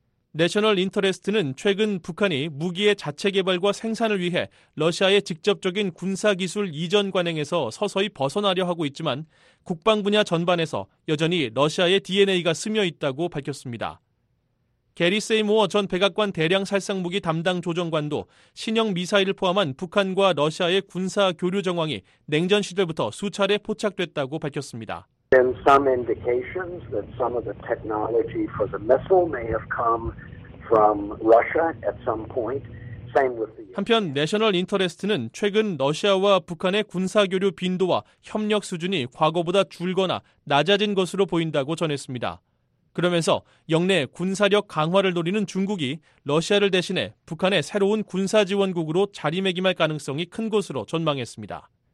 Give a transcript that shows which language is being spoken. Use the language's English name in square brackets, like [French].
[Korean] 내셔널 인터레스트는 최근 북한이 무기의 자체 개발과 생산을 위해 러시아의 직접적인 군사기술 이전 관행에서 서서히 벗어나려 하고 있지만 국방 분야 전반에서 여전히 러시아의 DNA가 스며있다고 밝혔습니다. 게리 세이모어 전 백악관 대량 살상무기 담당 조정관도 신형 미사일을 포함한 북한과 러시아의 군사 교류 정황이 냉전 시절부터 수차례 포착됐다고 밝혔습니다. [English] Then some indications that some of the technology for the missile may have come from Russia at some point. [Korean] 한편 내셔널 인터레스트는 최근 러시아와 북한의 군사교류 빈도와 협력 수준이 과거보다 줄거나 낮아진 것으로 보인다고 전했습니다. 그러면서 역내 군사력 강화를 노리는 중국이 러시아를 대신해 북한의 새로운 군사지원국으로 자리매김할 가능성이 큰 것으로 전망했습니다.